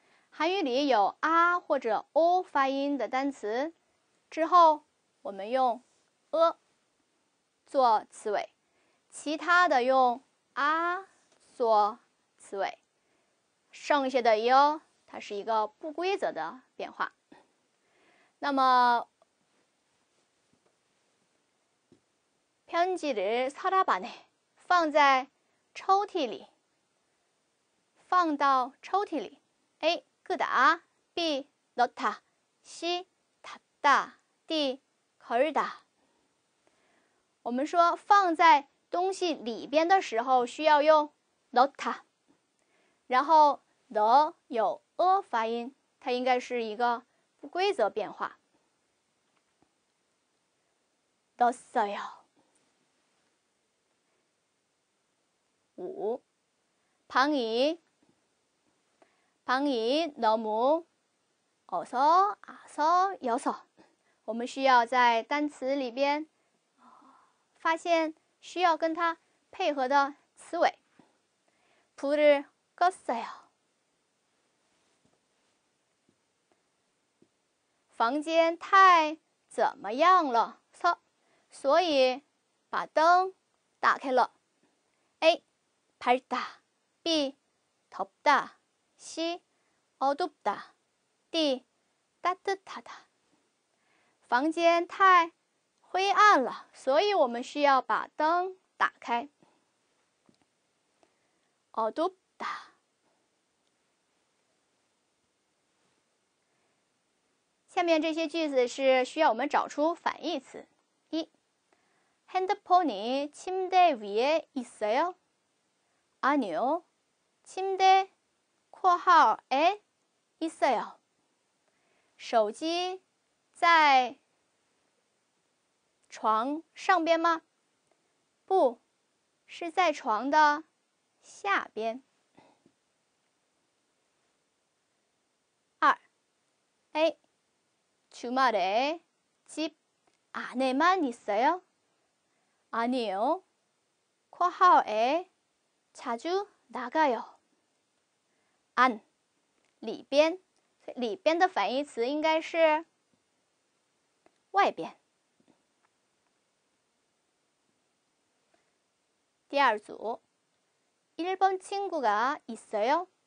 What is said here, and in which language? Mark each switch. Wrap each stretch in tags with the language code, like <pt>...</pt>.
<zh>韩语里有啊或者哦发音的单词，之后我们用呃做词尾，其他的用啊做词尾，剩下的哟，它是一个不规则的变化。那么</zh> <ko>편지를서랍안에，</ko> <zh>放在抽屉里，放到抽屉里。</zh> <ko>A그다 B 넣다 C 닫다 D 걸다。</ko> <zh>我们说放在东西里边的时候需要用넣다，然后넣有呃发音，它应该是一个不规则变化。</zh> <ko>넣어요。</ko> <zh>五，</zh> <ko>방이방이너무어서아서여서，</ko> <zh>我们需要在单词里边发现需要跟它配合的词尾。</zh> <ko>불을껐어요，</ko> <zh>房间太怎么样了，所以把灯打开了。</zh> <ko>A 밝다 B 덥다C 어둡다 D 따뜻하다。</ko> <zh>房间太灰暗了，所以我们需要把灯打开。</zh> <ko>어둡다。</ko> <zh>下面这些句子是需要我们找出反义词。一，</zh> <ko>핸드폰이 침대 위에 있어요? 아니요. 침대 括号에 있어요.</ko> <zh>手机在床上边吗? 不,是在床的下边。 2.</zh> <ko>주말에 집 안에만 있어요? 아니요. 括号에 자주 나가요.</ko> <zh>안, 里边, 里边的反义词应该是 外边. 第二组,</zh> <ko>일본 친구가 있어요?</ko>